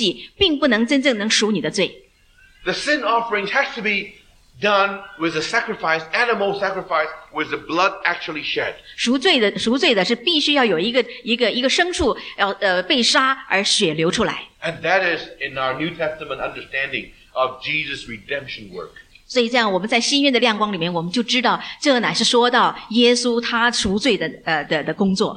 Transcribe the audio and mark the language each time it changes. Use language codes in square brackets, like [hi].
[zh] 我想你们各位都知道，那些素祭，就是这些米面的这些献上的祭，并不能真正能赎你的罪。 [en] The sin offering has to be done with a sacrifice, animal sacrifice, with the blood actually shed. [zh] 赎罪的是必须要有一个牲畜要被杀而血流出来。 [en] And that is in our New Testament understanding of Jesus' redemption work. [zh] 所以这样我们在新约的亮光里面，我们就知道这乃是说到耶稣他赎罪的工作。